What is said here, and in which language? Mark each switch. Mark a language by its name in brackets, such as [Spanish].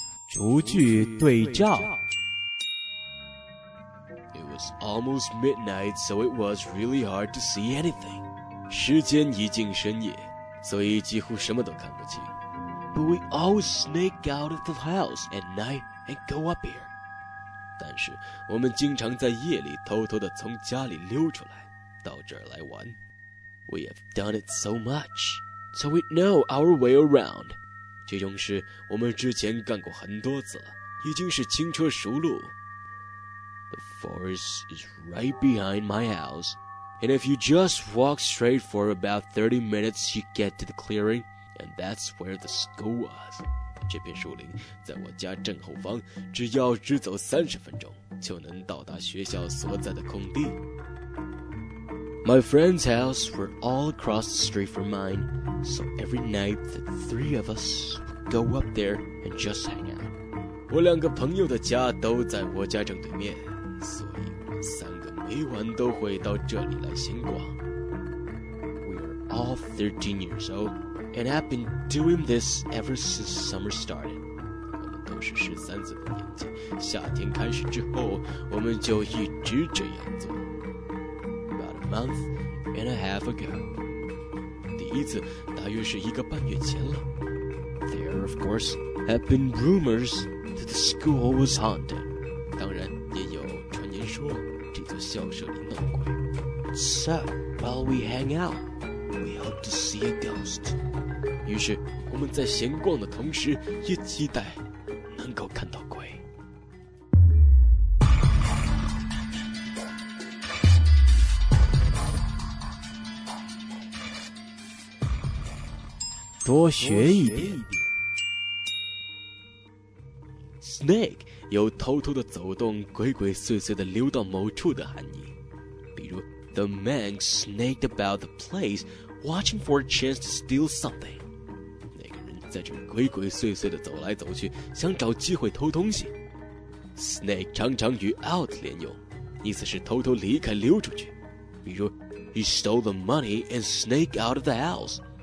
[Chinese] 逐句对照。 [English] It was almost midnight, so it was really hard to see anything. [Chinese] 时间已经深夜，所以几乎什么都看不清。 [English] But we always sneak out of the house at night and go up here. [Chinese] 但是我们经常在夜里偷偷地从家里溜出来，到这儿来玩。 [English] We have done it so much, so we know our way around. [Chinese] 这种事我们之前干过很多次了，已经是轻车熟路。 [English] The forest is right behind my house, and if you just walk straight for about 30 minutes, you get to the clearing, and that's where the school was. [Chinese] 这片树林在我家正后方，只要直走30分钟就能到达学校所在的空地。 [English] My friend's house were all across the street from mine, so every night the three of us would go up there and just hang out. [Chinese] 我两个朋友的家都在我家正对面，所以我们三个每晚都会到这里来闲逛。 [English] We are all 13 years old and have been doing this ever since summer started. [Chinese] 我们都是13岁的年纪，夏天开始之后，我们就一直这样做。 [English] Month and a half ago. [Chinese] 第一次大约是一个半月前了。 [English] There, of course, have been rumors that the school was haunted. [Chinese] 当然也有传言说这座校舍里闹鬼。 [English] So, while we hang out, we hope to see a ghost. [Chinese] 于是我们在闲逛的同时，也期待能够看到鬼。多学一点。 Snake 有偷偷的走动、鬼鬼祟祟的溜到某处的含义，比如 [English] The man snaked about the place, watching for a chance to steal something. [Chinese] 那个人在这鬼鬼祟祟的走来走去，想找机会偷东西。 Snake 常常与 out 连用，意思是偷偷离开、溜出去。比如 [English] He stole the money and snaked out of the house.